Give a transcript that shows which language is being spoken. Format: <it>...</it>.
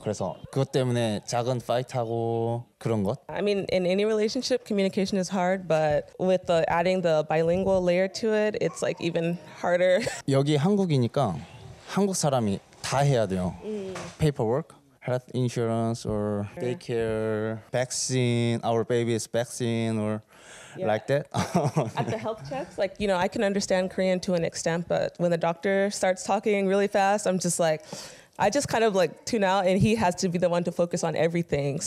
<ko>그래서 그것 때문에 작은 파이트하고 그런 것.</ko> <en>I mean, in any relationship, communication is hard, but with the adding the bilingual layer to it, it's like even harder.</en> <ko>여기 한국이니까 한국 사람이 다 해야 돼요.</ko> <en>Paperwork, health insurance, or daycare, vaccine, our baby's vaccine, or. Yeah. Like that? At the health checks, like, you know, I can understand Korean to an extent, but when the doctor starts talking really fast, I'm just like, I just kind of like tune out, and he has to be the one to focus on everything.</en>